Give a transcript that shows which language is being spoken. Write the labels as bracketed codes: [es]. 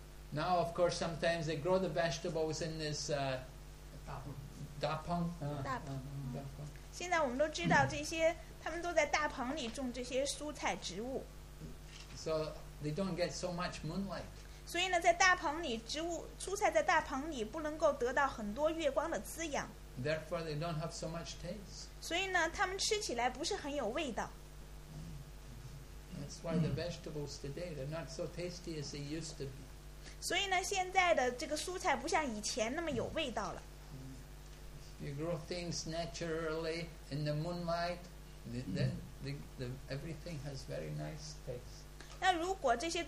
[en] Now, of course, sometimes they grow the vegetables in this So they don't get so much moonlight. [zh] 所以呢，在大棚里植物蔬菜在大棚里不能够得到很多月光的滋养。 [en] Therefore, they don't have so much taste. [zh] 所以呢，它们吃起来不是很有味道。 [en] That's why the vegetables today, they're not so tasty as they used to be. [zh] 所以呢，现在的这个蔬菜不像以前那么有味道了。 [en] You grow things naturally in the moonlight, then everything has very nice taste.